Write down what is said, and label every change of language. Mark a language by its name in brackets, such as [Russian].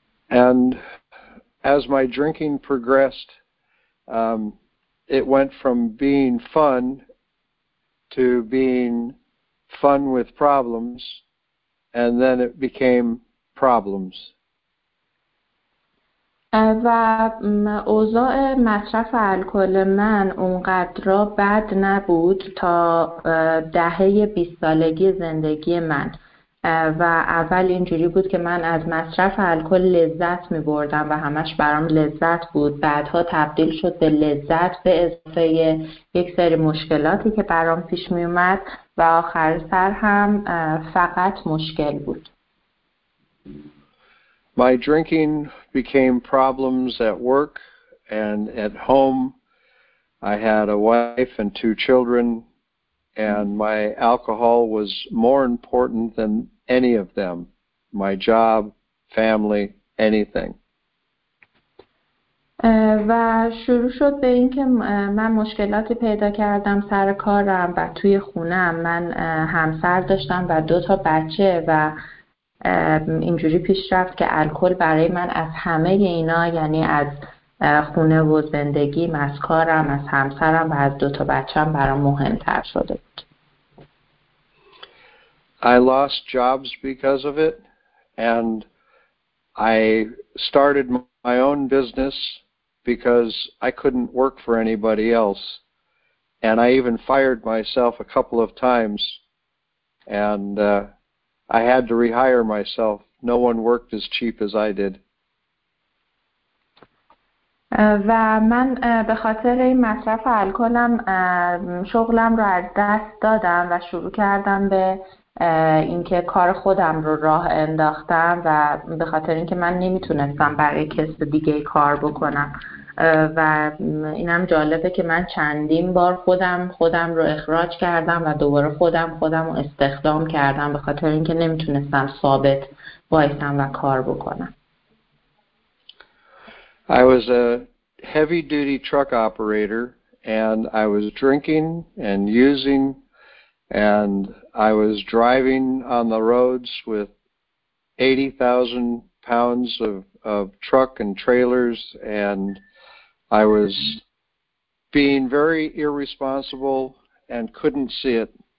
[English] And as my drinking progressed, it went from being fun to being fun with problems, and then it became problems. [Persian] و اوضاع مصرف الکل من اونقدر بد نبود تا دهه 20 سالگی زندگی من و اول اینجوری بود که من از مصرف الکل لذت می بردم و همش برام لذت بود. بعدها تبدیل شد به لذت به اضافه یک سری مشکلاتی که برام پیش می اومد و آخر سر هم فقط مشکل بود. [English] My drinking became problems at work and at home. I had a wife and 2 children, and my alcohol was more important than any of them. My job, family, anything. [Persian] و شروع شد به اینکه من مشکلاتی پیدا کردم سر کارم و توی خونه‌ام. من همسر داشتم و 2 بچه و اینجوری پیش رفت که الکل برای من از همه اینا، یعنی از خونه و زندگیم، از کارم، از همسرم و از 2 بچه‌ام برام مهم‌تر شده بود. [English] I lost jobs because of it And I started my own business because I couldn't work for anybody else. And I even fired myself a couple of times. And I had to rehire myself. No one worked as cheap as I did. [Persian] و من به خاطر این مصرف الکلم شغلم رو از دست دادم و شروع کردم به اینکه کار خودم رو راه انداختم و به خاطر اینکه من نمیتونستم برای کس دیگه کار بکنم و اینم جالبه که من چندین بار خودم رو اخراج کردم و دوباره خودم رو استخدام کردم به خاطر اینکه نمیتونستم ثابت وایسم و کار بکنم. [English] I was a heavy-duty truck operator, and I was drinking and using, and I was driving on the roads with 80,000 pounds of truck and trailers, and I was being very irresponsible and couldn't see it.